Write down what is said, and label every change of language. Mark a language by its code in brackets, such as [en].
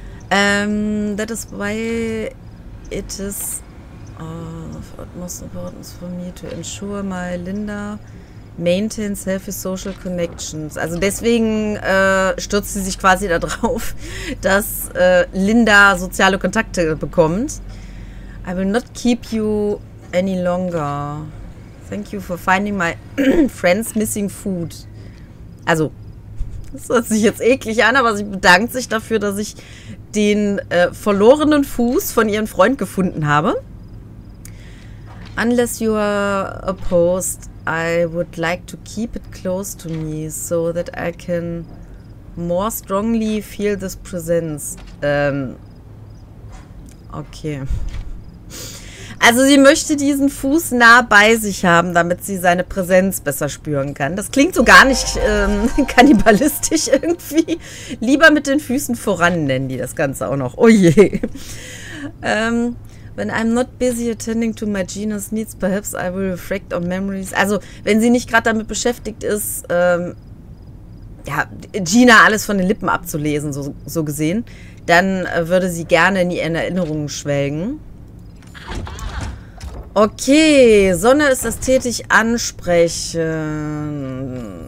[en] That is why it is of utmost importance for me to ensure my Linda maintains healthy social connections. [de] Also deswegen stürzt sie sich quasi darauf, dass Linda soziale Kontakte bekommt. [en] I will not keep you any longer. Thank you for finding my friends missing food. [de] Also, das hört sich jetzt eklig an, aber sie bedankt sich dafür, dass ich den verlorenen Fuß von ihrem Freund gefunden habe. [en] Unless you are opposed, I would like to keep it close to me, so that I can more strongly feel this presence. Okay. [de] Also sie möchte diesen Fuß nah bei sich haben, damit sie seine Präsenz besser spüren kann. Das klingt so gar nicht kannibalistisch irgendwie. Lieber mit den Füßen voran nennen die das Ganze auch noch. Oh je. [en] When I'm not busy attending to my Gina's needs, perhaps I will reflect on memories. [de] Also wenn sie nicht gerade damit beschäftigt ist, Gina alles von den Lippen abzulesen, so gesehen, dann würde sie gerne in ihren Erinnerungen schwelgen. Okay, Sonne ist ästhetisch ansprechend.